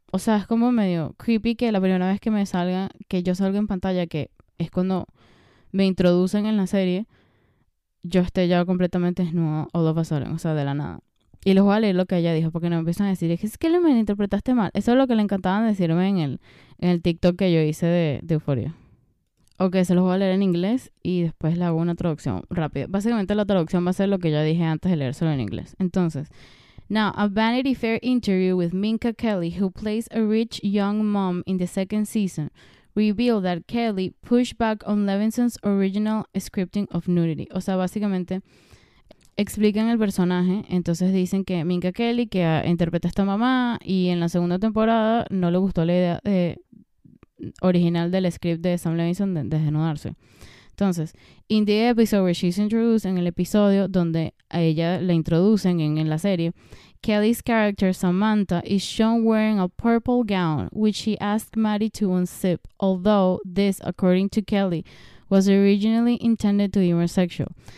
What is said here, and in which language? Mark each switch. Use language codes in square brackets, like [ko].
[es] O sea, es como medio creepy que la primera vez que me salga, que yo salgo en pantalla, que es cuando me introducen en la serie, yo esté ya completamente desnudo o dos pasaron, o sea, de la nada. Y les voy a leer lo que ella dijo, porque no me empiezan a decir, es que me interpretaste mal. Eso es lo que le encantaban decirme en el TikTok que yo hice de Euphoria. Ok, se los voy a leer en inglés y después le hago una traducción rápida. Básicamente la traducción va a ser lo que yo dije antes de leérselo en inglés. [en] Entonces, now, a Vanity Fair interview with Minka Kelly, who plays a rich young mom in the second season, reveal that Kelly pushed back on Levinson's original scripting of nudity. [es] O sea, básicamente explican el personaje. Entonces dicen que Minka Kelly, que interpreta a esta mamá, y en la segunda temporada no le gustó la idea original del script de Sam Levinson de desnudarse. Entonces [en] Entonces, in the episode where she's introduced, [es] en el episodio donde a ella la introducen en la serie, [en] Kelly's character Samantha is shown wearing a purple gown, which she asked Maddie to unzip, although this, according to Kelly, was originally intended to be more sexual.